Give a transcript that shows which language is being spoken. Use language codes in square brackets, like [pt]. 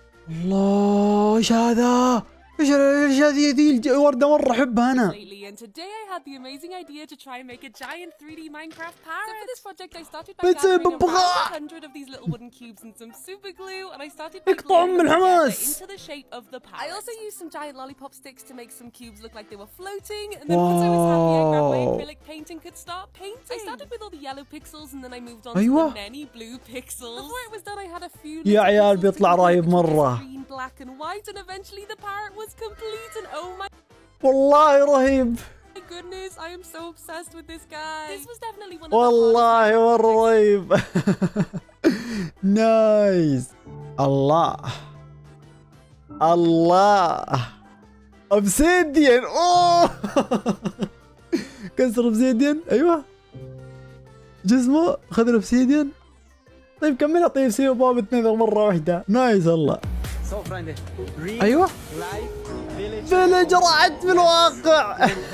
[ar] الله ايش هذا ايش هذه ذي الوردة مرة احبها انا [en] Today I had the amazing idea to try and make a giant 3D Minecraft parrot. So for this project I started by gathering about 100 of these little wooden cubes and some super glue and I started by gluing them into the shape of the parrot. I also used some giant lollipop sticks to make some cubes look like they were floating and then wow. Once I was happy I grabbed my acrylic paint and could start painting. I started with all the yellow pixels and then I moved on to the many blue pixels. Before it was done I had a few [ar] يا عيال بيطلع رهيب مرة. [en] Green, black and white and eventually the parrot was complete and oh my [ar] والله رهيب [en] My goodness, I am so obsessed with this guy. This was definitely one of [ar] والله مره رهيب نايس الله الله اوبسيديان اوه كسر اوبسيديان ايوه جسمه خذ الاوبسيديان طيب كملها طيب سيب باب اثنين مره واحده نايس الله ايوه فيليج راحت في الواقع